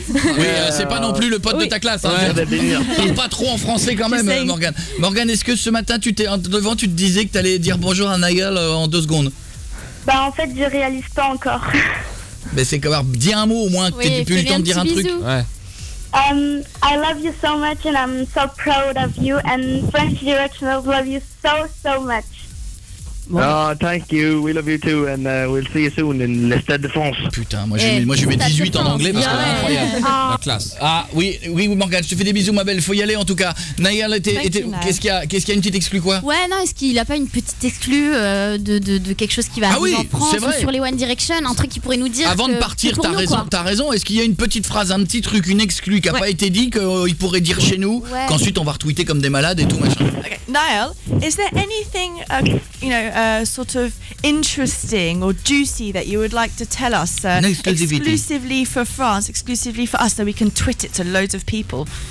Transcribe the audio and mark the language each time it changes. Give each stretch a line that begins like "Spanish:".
French: Oui, c'est pas non plus le pote de ta classe. Ouais. Hein. Parle pas trop en français quand même, Morgan. Morgan, est-ce que ce matin, tu te disais que t'allais dire bonjour à Niall en deux secondes? Bah, en fait, je réalise pas encore. Mais c'est quand même, dis un mot au moins, que t'aies plus le temps de dire bisou. Un truc. Ouais.
English: I love you so much and I'm so proud of you and French Directionals love you so, so much.
French: Bon.
English: Oh, thank you, we love you too and we'll see you soon in Le Stade de France.
French: Putain, moi je lui mets 18 en anglais parce que c'est incroyable. La classe. Ah oui, oui, Morgane, je te fais des bisous, ma belle, faut y aller en tout cas. Nayel, qu'est-ce qu'il y a une petite exclue quoi? Ouais, non, est-ce qu'il a pas une petite exclue de quelque chose qui va arriver en France ou sur les One Direction, un truc qui pourrait nous dire. Avant que de partir, t'as raison, est-ce qu'il y a une petite phrase, un petit truc, une exclue qui a pas été dit qu'il pourrait dire chez nous, qu'ensuite on va retweeter comme des malades et tout machin.
English: Okay. Nayel, is there anything, sort of interesting or juicy that you would like to tell us exclusively for France, exclusively for us, so we can tweet it to loads of people?